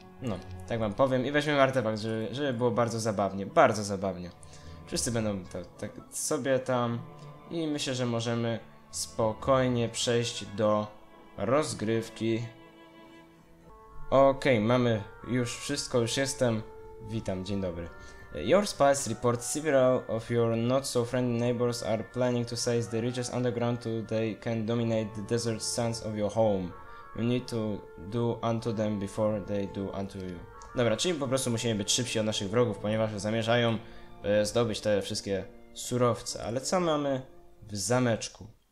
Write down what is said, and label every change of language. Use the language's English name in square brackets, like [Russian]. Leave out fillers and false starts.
[Polish] No, tak wam powiem. I weźmiemy artefakt, żeby było bardzo zabawnie. Bardzo zabawnie. Wszyscy będą tak sobie tam. I myślę, że możemy spokojnie przejść do rozgrywki. Okej, mamy już wszystko, już jestem. Witam, dzień dobry. [English] Your spies report several of your not-so-friendly neighbors are planning to seize the riches underground so they can dominate the desert sands of your home. You need to do unto them before they do unto you. [Polish] Dobra, czyli po prostu musimy być szybsi od naszych wrogów, ponieważ zamierzają zdobyć te wszystkie surowce. Ale co mamy w zameczku?